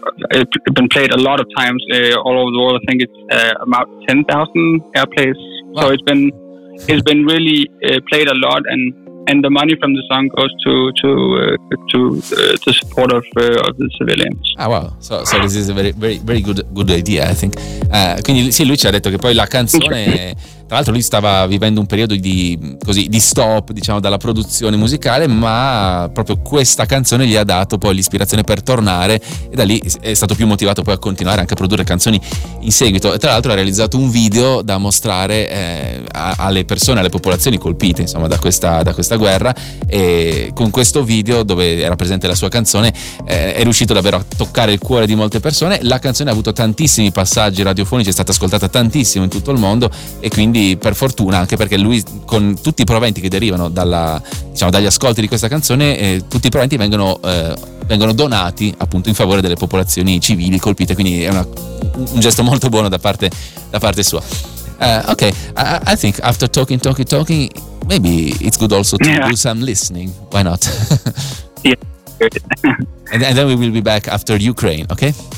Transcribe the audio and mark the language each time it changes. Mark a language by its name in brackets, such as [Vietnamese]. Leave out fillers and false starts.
[English] It's been played a lot of times all over the world. I think it's about 10,000 airplays. Wow. So it's been really played a lot, and the money from the song goes to the support of the civilians. Ah, wow. So this is a very very very good idea, I think. [Italian] Quindi sì, lui ci ha detto che poi la canzone tra l'altro lui stava vivendo un periodo di così di stop, diciamo, dalla produzione musicale, ma proprio questa canzone gli ha dato poi l'ispirazione per tornare, e da lì è stato più motivato poi a continuare anche a produrre canzoni in seguito. E tra l'altro ha realizzato un video da mostrare alle persone, alle popolazioni colpite, insomma, da questa guerra, e con questo video, dove era presente la sua canzone, è riuscito davvero a toccare il cuore di molte persone. La canzone ha avuto tantissimi passaggi radiofonici, è stata ascoltata tantissimo in tutto il mondo, e quindi, per fortuna, anche perché lui, con tutti i proventi che derivano dagli ascolti di questa canzone, tutti i proventi vengono donati, appunto, in favore delle popolazioni civili colpite. Quindi è un gesto molto buono da parte sua. [English] I think after talking, maybe it's good also to do some listening. Why not? Yeah. And then we will be back after Ukraine, okay?